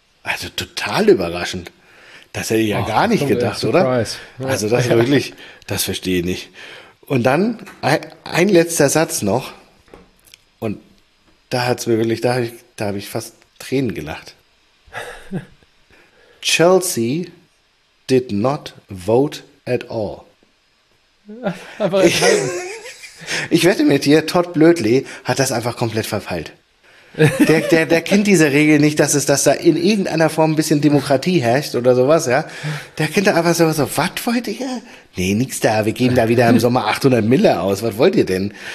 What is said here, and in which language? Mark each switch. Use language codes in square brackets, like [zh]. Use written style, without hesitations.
[de] Also total überraschend. Das hätte ich ja gar nicht gedacht, oder? [en] Surprise. [de] Ja. Also das ja. wirklich, das verstehe ich nicht. Und dann ein letzter Satz noch. Und da hat es mir wirklich, da habe ich fast Tränen gelacht. [en] Chelsea did not vote at all. [de] Einfach enthalten. Ich wette mit dir, Todd Blödley hat das einfach komplett verfeilt. Der kennt diese Regel nicht, dass da in irgendeiner Form ein bisschen Demokratie herrscht oder sowas, ja. Der kennt da einfach so, was wollt ihr? Nee, nix da, wir geben da wieder im Sommer 800 Mille aus, was wollt ihr denn?